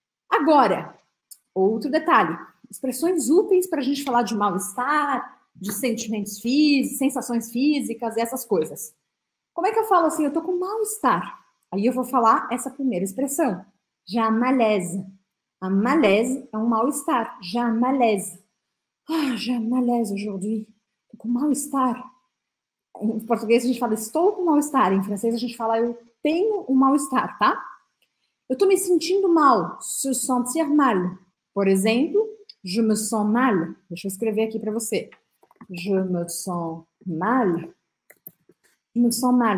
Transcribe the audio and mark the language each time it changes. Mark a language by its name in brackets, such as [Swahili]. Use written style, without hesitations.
[Portuguese] Agora, outro detalhe. Expressões úteis para a gente falar de mal-estar, de sentimentos físicos, sensações físicas e essas coisas. Como é que eu falo assim? Eu tô com mal-estar. Aí eu vou falar essa primeira expressão. [French] J'ai un malaise. Un malaise [Portuguese] é um mal-estar. [French] J'ai un malaise. Ah, j'ai un malaise aujourd'hui. [Portuguese] Tô com mal-estar. Em português a gente fala estou com mal-estar. Em francês a gente fala eu tenho um mal-estar, tá? Eu tô me sentindo mal. Se sentir mal. Por exemplo, [French] je me sens mal. [Portuguese] Deixa eu escrever aqui para você. [French] Je me sens mal. Me sens mal.